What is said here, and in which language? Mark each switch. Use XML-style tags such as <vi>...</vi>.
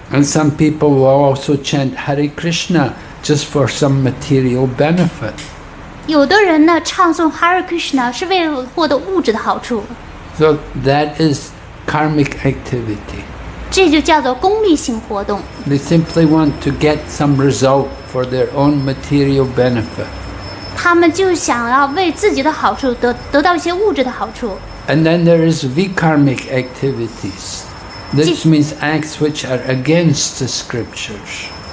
<en>And some people will also chant Hare Krishna just for some material benefit.</en> <zh>有的人呢唱诵Hare Krishna是为了获得物质的好处。</zh> <en>So that is karmic activity.</en> <zh>这就叫做功利性活动。</zh> <en>They simply want to get some result for their own material benefit.</en> <zh>他们就想要为自己的好处得到一些物质的好处。</zh> <en>And then there is vikarmic activities. This means acts which are against the scriptures.</en>